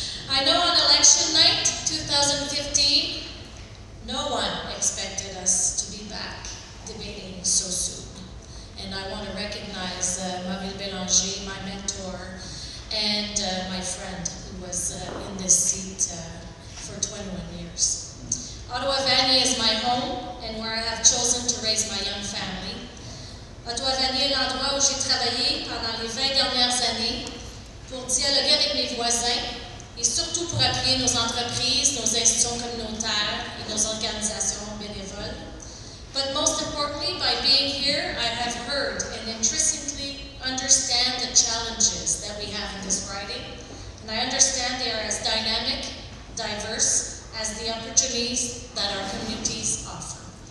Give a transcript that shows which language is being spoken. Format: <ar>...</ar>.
<en>I know on election night 2015, no one expected us to be back debating so soon. And I want to recognize Mabel Bélanger, my mentor, and my friend who was in this seat for 21 years. Ottawa Vanier is my home and where I have chosen to raise my young family.</en> <fr>Ottawa Vanier, l'endroit où j'ai travaillé pendant les 20 dernières années pour dialoguer avec mes voisins et surtout pour appuyer nos entreprises, nos institutions communautaires et nos organisations bénévoles.</fr> <en>But most importantly, by being here, I have heard and intrinsically understand the challenges that we have in this riding, and I understand they are as dynamic, diverse, as the opportunities that our communities offer.</en>